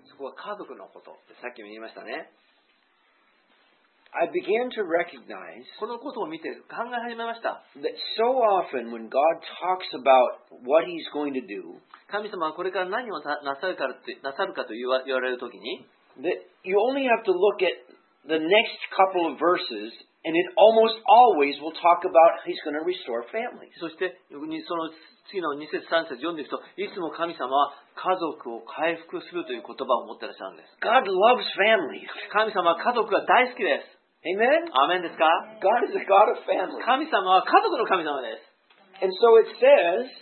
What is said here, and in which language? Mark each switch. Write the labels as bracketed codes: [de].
[ja] そこは家族のことってさっきも言いましたね。 [en] I began to recognize [ja] このことを見て考え始めました。 [en] That so often when God talks about what He's going to do, [ja] 神様はこれから何をなさるかって、なさるかと言われるときに、 [en] That you only have to look at the next couple of verses and it almost always will talk about He's going to restore families. [ja] そしてその次の2節3節読んでいくと、いつも神様は家族を回復するという言葉を持ってらっしゃるんです。 [en] God loves families. [ja] 神様は家族が大好きです。 [en] Amen? [ja] アーメンですか? [en] God is a God of families. [ja] 神様は家族の神様です。 [en] And so it says,